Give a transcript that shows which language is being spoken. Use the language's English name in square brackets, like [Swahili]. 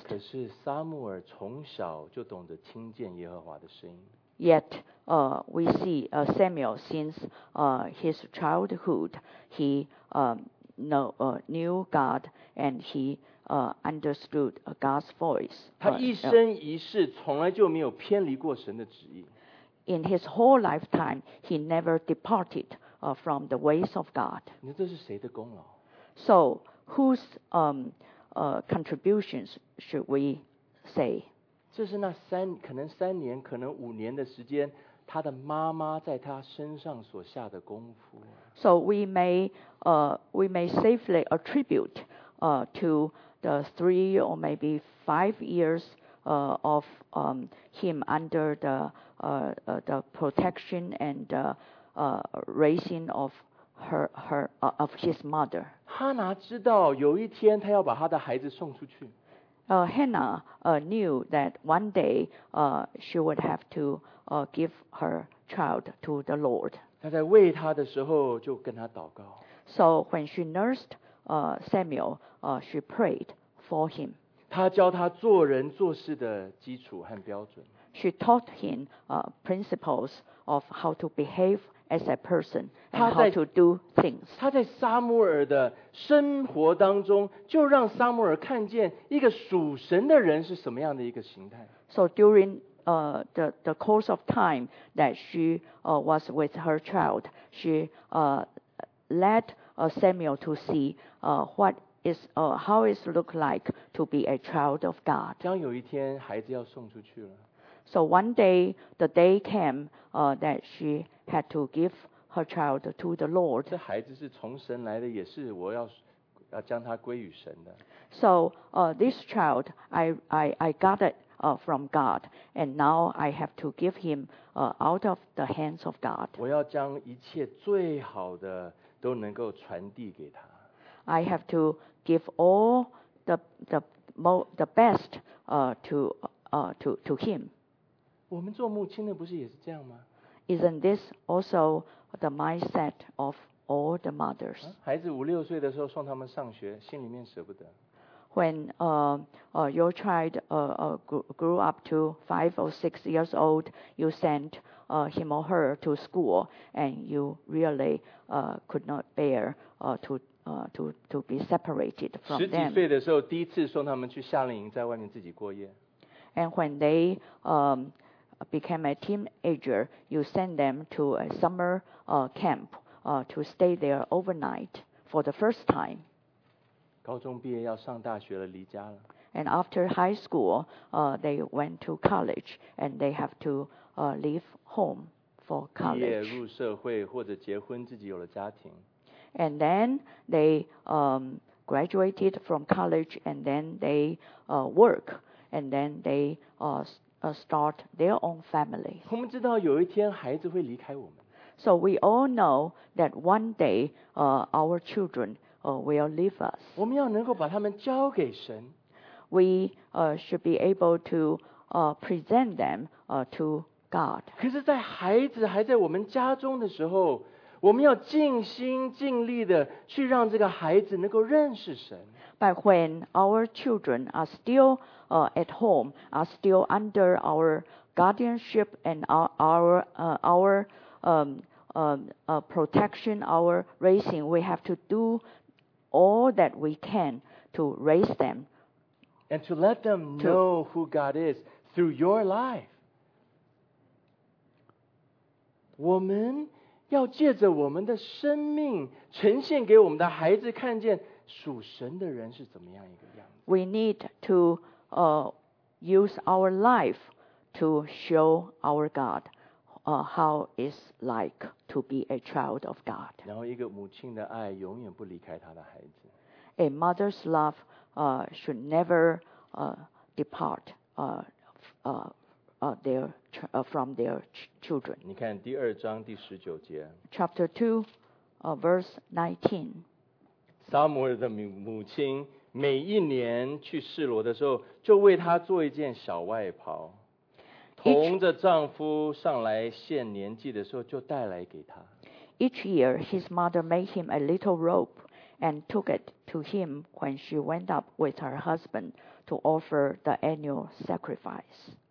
[Chinese] 可是撒母耳从小就懂得听见耶和华的声音。 [English] Yet, we see Samuel since his childhood, he knew God and he understood God's voice. [Chinese] 他一生一世从来就没有偏离过神的旨意。 [English] In his whole lifetime, he never departed from the ways of God. [Chinese] 那这是谁的功劳？ [English] So, whose contributions should we say? [Chinese] 这是那三可能三年可能五年的时间他的妈妈在他身上所下的功夫。 [English] So we may safely attribute to the 3 or maybe 5 years him under the protection and raising of of his mother. [Chinese] 哈拿知道有一天他要把他的孩子送出去。 [English] Hannah knew that one day she would have to give her child to the Lord. [Chinese] 她在喂她的时候就跟她祷告。 [English] So when she nursed Samuel, she prayed for him. [Chinese] 她教她做人做事的基础和标准。 [English] She taught him principles of how to behave as a person and how to do things. [Chinese] 他在撒母耳的生活当中就让撒母耳看见一个属神的人是什么样的一个形态。 [English] So during the course of time that she was with her child, she led Samuel to see how it looked like to be a child of God. [Chinese] 将有一天孩子要送出去了。 [English] So one day, the day came that she had to give her child to the Lord. [Chinese] 这孩子是从神来的，也是我要将他归于神的。 [English] So this child, I got it from God, and now I have to give him out of the hands of God. [Chinese] 我要将一切最好的都能够传递给他。 [English] I have to give all the best to him. [Chinese] 我们做母亲的不是也是这样吗？ [English] Isn't this also the mindset of all the mothers? [Chinese] 孩子五六岁的时候送他们上学，心里面舍不得。 [English] When your child grew up to 5 or 6 years old, you sent him or her to school, and you really could not bear to be separated from them. [Chinese] 十几岁的时候，第一次送他们去夏令营，在外面自己过夜。 [English] And when they became a teenager, you send them to a summer camp to stay there overnight for the first time. [Chinese] 高中毕业要上大学了，离家了。 [English] And after high school, they went to college and they have to leave home for college. [Chinese] 毕业入社会或者结婚，自己有了家庭。 [English] And then they graduated from college and then they work and then they start their own family. [Chinese] 我们知道有一天孩子会离开我们。 [English] So we all know that one day, our children, will leave us. [Chinese] 我们要能够把他们交给神。 [English] We, should be able to, present them, to God. [Chinese] 可是在孩子还在我们家中的时候，我们要尽心尽力的去让这个孩子能够认识神。 [English] But when our children are still at home, are still under our guardianship and our protection, our raising, we have to do all that we can to raise them. And to let them know who God is through your life. [Chinese] 我们要借着我们的生命呈现给我们的孩子看见属神的人是怎么样一个样子。 [English] We need to use our life to show our God how it's like to be a child of God. [Chinese] 然后一个母亲的爱永远不离开她的孩子。 [English] A mother's love should never depart from their children. [Chinese] 你看第二章第十九节。 [English] Chapter 2, verse 19. [Chinese] 撒母耳的母亲每一年去示罗的时候就为他做一件小外袍同着丈夫上来献年祭的时候就带来给他 [English] Each year his mother made him a little robe and took it to him when she went up with her husband to offer the annual sacrifice